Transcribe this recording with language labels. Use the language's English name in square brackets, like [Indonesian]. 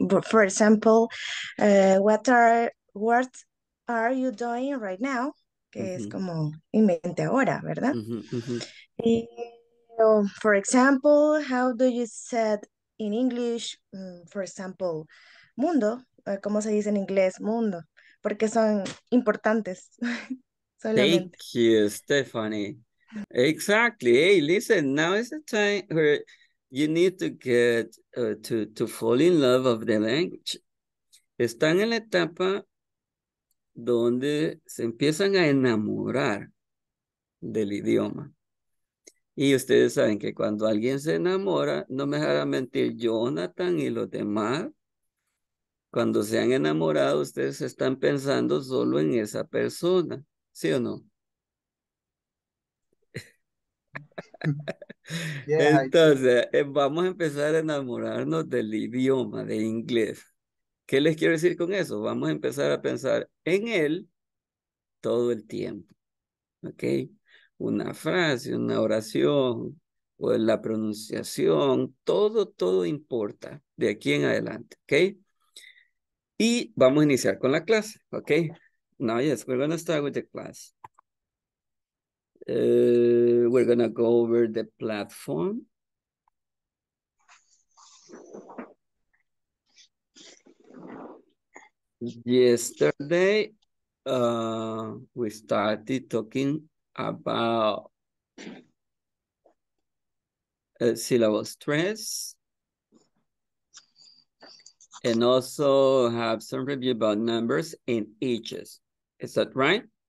[English] For example, what are you doing right now? [Spanish] Que mm-hmm. es como invente ahora, ¿verdad? Mm-hmm. [English] For example, how do you say in English, for example, mundo? [Spanish] ¿Cómo se dice en inglés mundo? Porque son importantes. [English] Thank you, Stephanie. Exactly. Hey, listen, now is the time where you need to get to fall in love of the language. [Spanish] Están en la etapa donde se empiezan a enamorar del idioma. Y ustedes saben que cuando alguien se enamora, no me dejará mentir Jonathan y los demás, cuando se han enamorado, ustedes están pensando solo en esa persona. ¿Sí o no? Entonces, vamos a empezar a enamorarnos del idioma de inglés. ¿Qué les quiero decir con eso? Vamos a empezar a pensar en él todo el tiempo. ¿Ok? Una frase, una oración, o la pronunciación, todo, todo importa de aquí en adelante. ¿Ok? Y vamos a iniciar con la clase. ¿Ok? [English] Now, yes, we're going to start with the class. We're going to go over the platform. Yesterday, we started talking about syllable stress and also have some review about numbers and ages. Is that right?